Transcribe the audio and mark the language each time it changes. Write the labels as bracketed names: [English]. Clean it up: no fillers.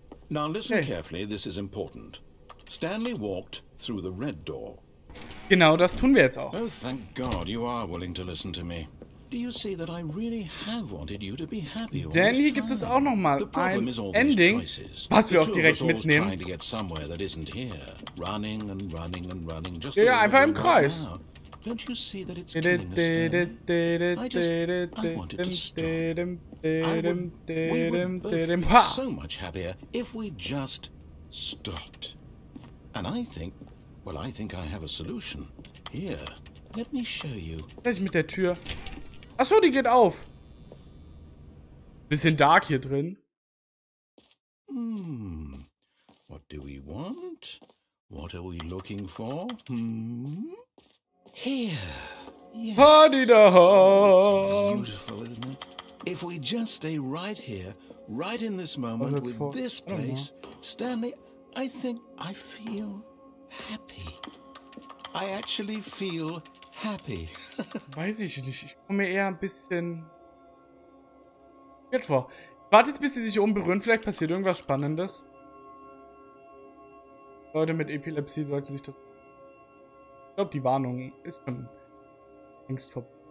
[English] Now listen carefully, this is important. Stanley walked through the red door. [German] Genau, das tun wir jetzt auch. [English] Oh, thank God, you are willing to listen to me. Do you see that I really have wanted you to be happy all this [German] time? Denn hier gibt es auch noch mal ein Ending, was wir auch direkt mitnehmen. [English] Trying to get somewhere that isn't here. Running and running and running just [German] ja, einfach im Kreis. [English] Don't you see that it's killing us, I just wanted to stop. We would be so much happier if we just stopped. And I think, well, I think I have a solution. Here, let me show you. [German] Was ist mit der Tür? Achso, die geht auf. Bisschen dark hier drin. [English] Hmm. What do we want? What are we looking for? Hmm? Here. Yes. Oh, it's beautiful, isn't it? If we just stay right here, right in this moment, with this place, Stanley, I think I feel happy. I actually feel happy. [German] Weiß ich nicht. Ich komme mir eher ein bisschen jetzt vor. Warte jetzt, bis sie sich umberühren. Vielleicht passiert irgendwas Spannendes. Leute mit Epilepsie sollten sich das. Ich glaube, die Warnung ist schon längst vorbei.